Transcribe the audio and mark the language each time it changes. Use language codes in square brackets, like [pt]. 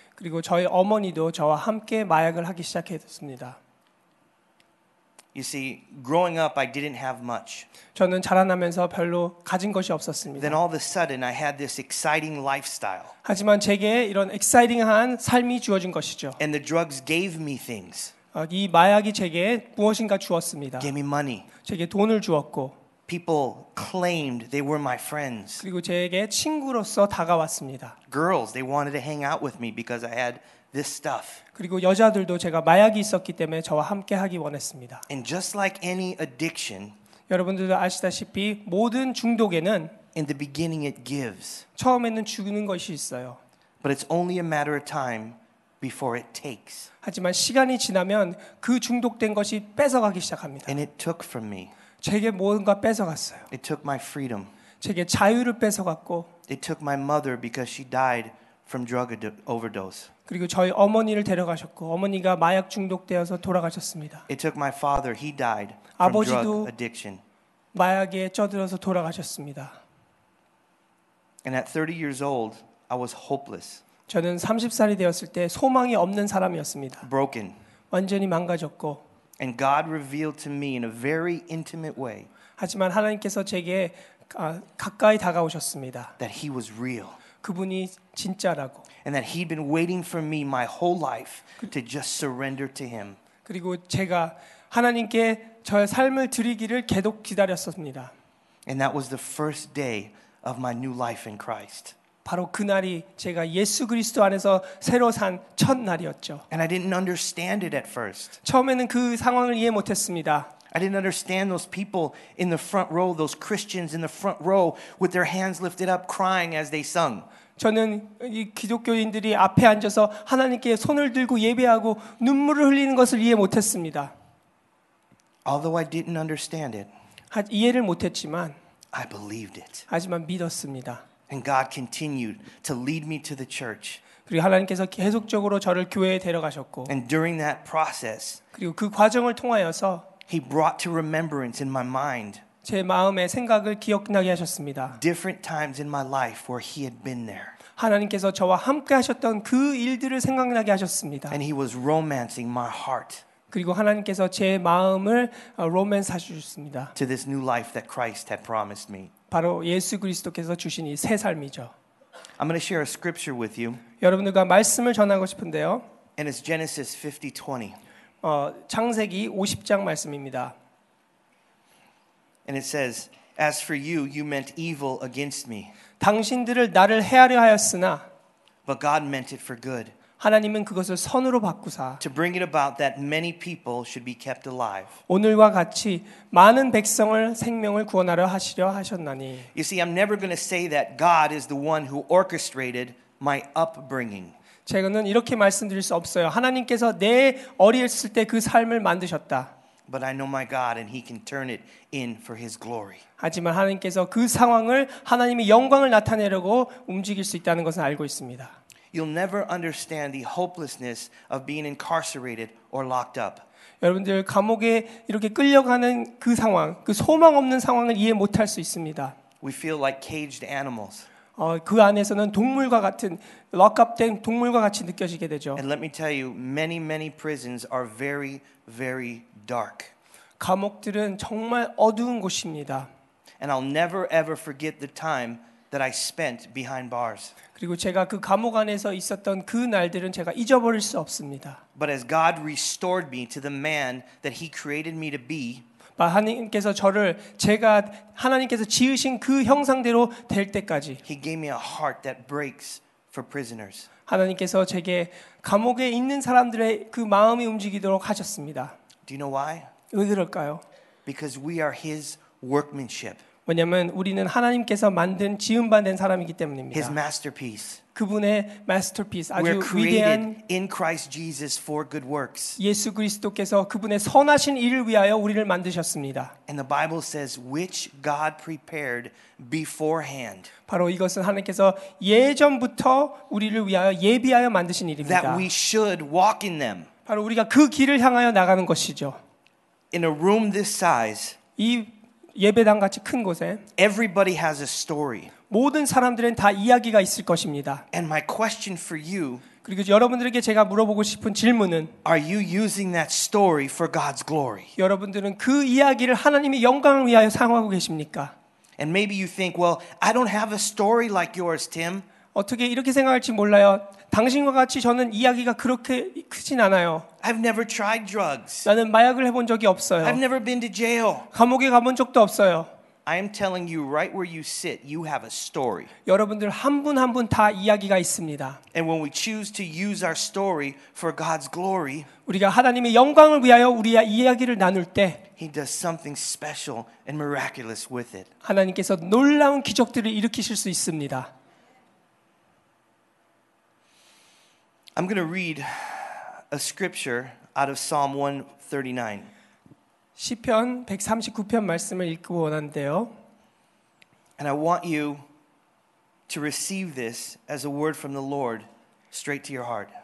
[ko] 그리고 저희 어머니도 저와 함께 마약을 하기 시작했습니다. [en] You see, growing up, I didn't have much. [ko] 저는 자라나면서 별로 가진 것이 없었습니다. [en] Then all of a sudden, I had this exciting lifestyle. [ko] 하지만 제게 이런 exciting한 삶이 주어진 것이죠. [en] And the drugs gave me things. [ko] 이 마약이 제게 무엇인가 주었습니다. [en] Gave me money. [ko] 제게 돈을 주었고. [en] People claimed they were my friends. [ko] 그리고 제게 친구로서 다가왔습니다. [en] Girls, they wanted to hang out with me because I had this stuff. [ko] 그리고 여자들도 제가 마약이 있었기 때문에 저와 함께하기 원했습니다. [en] And just like any addiction, [ko] 여러분들도 아시다시피 모든 중독에는 [en] in the beginning it gives. [ko] 처음에는 주는 것이 있어요. [en] But it's only a matter of time before it takes. [ko] 하지만 시간이 지나면 그 중독된 것이 뺏어가기 시작합니다. [en] And it took from me. [ko] 제게 뭔가 뺏어갔어요. [en] It took my freedom. [ko] 제게 자유를 뺏어갔고. [en] It took my mother because she died from drug overdose. [ko] 그리고 저희 어머니를 데려가셨고 어머니가 마약 중독되어서 돌아가셨습니다. [en] It took my father. He died from drug addiction. [ko] 아버지도 마약에 쩌들어서 돌아가셨습니다. [en] And at 30 years old, I was hopeless. [ko] 저는 30살이 되었을 때 소망이 없는 사람이었습니다. [en] Broken. [ko] 완전히 망가졌고. [en] And God revealed to me in a very intimate way. [ko] 하지만 하나님께서 제게 가까이 다가오셨습니다. [en] That He was real. [ko] 그분이 진짜라고. [en] And that He'd been waiting for me my whole life to just surrender to Him. [ko] 그리고 제가 하나님께 저의 삶을 드리기를 계속 기다렸었습니다. [en] And that was the first day of my new life in Christ. [ko] 바로 그날이 제가 예수 그리스도 안에서 새로 산 첫날이었죠. [en] And I didn't understand it at first. [ko] 처음에는 그 상황을 이해 못했습니다. [en] I didn't understand those people in the front row, those Christians in the front row with their hands lifted up crying as they sung. [ko] 저는 이 기독교인들이 앞에 앉아서 하나님께 손을 들고 예배하고 눈물을 흘리는 것을 이해 못했습니다. [en] Although I didn't understand it. [ko] 이해를 못했지만 [en] I believed it. [ko] 하지만 믿었습니다. [en] And God continued to lead me to the church. [ko] 그리고 하나님께서 계속적으로 저를 교회에 데려가셨고. [en] And during that process, [ko] 그리고 그 과정을 통하여서, [en] He brought to remembrance in my mind, [ko] 제 마음의 생각을 기억나게 하셨습니다. [en] Different times in my life where He had been there. [ko] 하나님께서 저와 함께하셨던 그 일들을 생각나게 하셨습니다. [en] And He was romancing my heart. [ko] 그리고 하나님께서 제 마음을 로맨스 하셨습니다. [en] To this new life that Christ had promised me. [ko] 바로 예수 그리스도께서 주신 이 새 삶이죠. [en] I'm going to share a scripture with you. [ko] 여러분들과 말씀을 전하고 싶은데요. [en] And it's Genesis 50:20. [ko] 창세기 50장 말씀입니다. [en] And it says, "As for you, you meant evil against me." [ko] 당신들을 나를 해하려 하였으나 [en] But God meant it for good. [ko] 하나님은 그것을 선으로 바꾸사 [en] To bring it about that many people should be kept alive. [ko] 오늘과 같이 많은 백성을 생명을 구원하려 하시려 하셨나니. [en] You see, I'm never going to say that God is the one who orchestrated my upbringing. [ko] 제가는 이렇게 말씀드릴 수 없어요. 하나님께서 내 어렸을 때 그 삶을 만드셨다. [en] But I know my God and he can turn it in for his glory. [ko] 하지만 하나님께서 그 상황을 하나님의 영광을 나타내려고 움직일 수 있다는 것은 알고 있습니다. [en] You'll never understand the hopelessness of being incarcerated or locked up. [ko] 여러분들 감옥에 이렇게 끌려가는 그 상황, 그 소망 없는 상황을 이해 못할 수 있습니다. [en] We feel like caged animals. [ko] 그 안에서는 동물과 같은 lock-up된 동물과 같이 느껴지게 되죠. [en] And let me tell you, many, many prisons are very, very dark. [ko] 감옥들은 정말 어두운 곳입니다. [en] And I'll never ever forget the time that I spent behind bars. [ko] 그리고 제가 그 감옥 안에서 있었던 그 날들은 제가 잊어버릴 수 없습니다. [en] But as God restored me to the man that He created me to be. [ko] 하나님께서 저를 제가 하나님께서 지으신 그 형상대로 될 때까지 [en] He gave me a heart that breaks for prisoners. [ko] 하나님께서 제게 감옥에 있는 사람들의 그 마음이 움직이도록 하셨습니다. [en] Do you know why? [ko] 왜 그럴까요? [en] Because we are His workmanship. [ko] 왜냐하면 우리는 하나님께서 만든 지음 받은 사람이기 때문입니다. [en] His masterpiece. [ko] 그분의 masterpiece. 아주 [en] We're created [ko] 위대한 [en] in Christ Jesus for good works. [ko] 예수 그리스도께서 그분의 선하신 일을 위하여 우리를 만드셨습니다. [en] And the Bible says which God prepared beforehand. [ko] 바로 이것은 하나님께서 예전부터 우리를 위하여 예비하여 만드신 일입니다. [en] That we should walk in them. [ko] 바로 우리가 그 길을 향하여 나가는 것이죠. [en] In a room this size. [ko] 이 예배당 같이 큰 곳에 [en] Everybody has a story. [ko] 모든 사람들은 다 이야기가 있을 것입니다. [en] And my question for you [ko] 그리고 여러분들에게 제가 물어보고 싶은 질문은 [en] Are you using that story for God's glory? [ko] 여러분들은 그 이야기를 하나님의 영광을 위하여 사용하고 계십니까? [en] And maybe you think, well, I don't have a story like yours, Tim. [ko] 어떻게 이렇게 생각할지 몰라요. 당신과 같이 저는 이야기가 그렇게 크진 않아요. [en] I've never tried drugs. [ko] 나는 마약을 해본 적이 없어요. [en] I've never been to jail. [ko] 감옥에 가본 적도 없어요. [en] I am telling you right where you sit, you have a story. [ko] 여러분들 한 분 한 분 다 이야기가 있습니다. [en] And when we choose to use our story for God's glory, [ko] 우리가 하나님의 영광을 위하여 우리의 이야기를 나눌 때, [en] He does something special and miraculous with it. [ko] 하나님께서 놀라운 기적들을 일으키실 수 있습니다. [en] I'm going to read a scripture out of Psalm 139. [ko] 시편 139편 말씀을 읽고 원한대요. [en] And I want you to receive this as a word from the Lord straight to your heart.